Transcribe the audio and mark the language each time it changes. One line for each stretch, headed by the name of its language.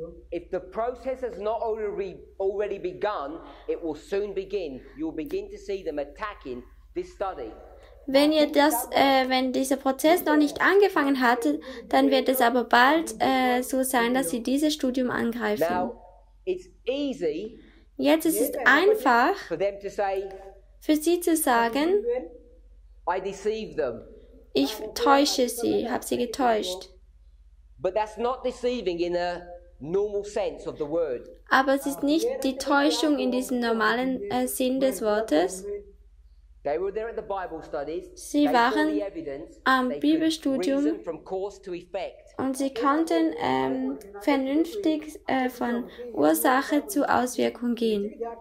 English: If the process has not already begun, it will soon begin. You'll begin to see them attacking this study.
German: Wenn ihr das, wenn dieser Prozess noch nicht angefangen hat, dann wird es aber bald so sein, dass sie dieses Studium angreifen.
English: Now, it's easy.
German: Jetzt ist es einfach, für sie zu sagen,
English: I deceive them.
German: Ich täusche sie, habe sie getäuscht.
English: But that's not deceiving in a normal sense of the word.
German: Aber es ist nicht die Täuschung in diesem normalen Sinn des Wortes.
English: They were there at the Bible studies.
German: Sie waren am Bibelstudium und sie konnten vernünftig von Ursache zu Auswirkung gehen.